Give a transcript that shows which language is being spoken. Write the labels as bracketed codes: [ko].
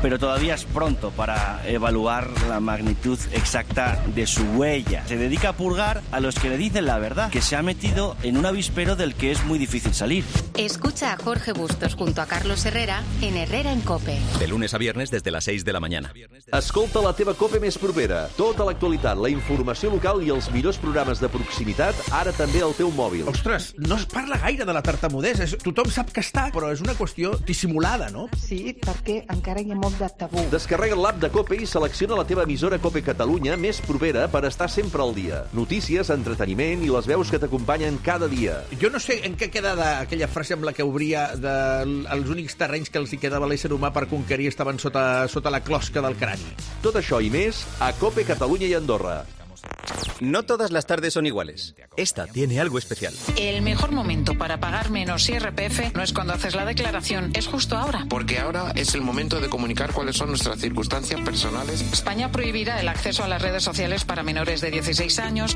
[es] Pero todavía es pronto para evaluar la magnitud exacta de su huella. Se dedica a purgar a los que le dicen la verdad, que se ha metido en un avispero del que es muy difícil salir. Escucha a Jorge Bustos junto a Carlos Herrera en Herrera en COPE. De lunes a viernes desde las 6 de la mañana. [ca] Escolta la teva COPE més propera. Tota l'actualitat, la informació local i els millors programes de proximitat, ara també el teu mòbil. Ostres, no es parla gaire de la tartamudesa. Tothom sap que està, però és una qüestió dissimulada, no? Sí, perquè encara hi ha molt de tabú. Descarrega l'app de COPE i selecciona la teva emissora COPE Catalunya més propera per estar sempre al dia. Notícies, entreteniment i les veus que t'acompanyen cada dia. Jo no sé en què queda aquella frase amb la que obria els únics terrenys que els hi quedava l'ésser humà per conquerir estaven sota la closca del crani. Tot això i més a COPE Catalunya i Andorra. [es] No todas las tardes son iguales. Esta tiene algo especial. El mejor momento para pagar menos IRPF no es cuando haces la declaración, es justo ahora. Porque ahora es el momento de comunicar cuáles son nuestras circunstancias personales. España prohibirá el acceso a las redes sociales para menores de 16 años.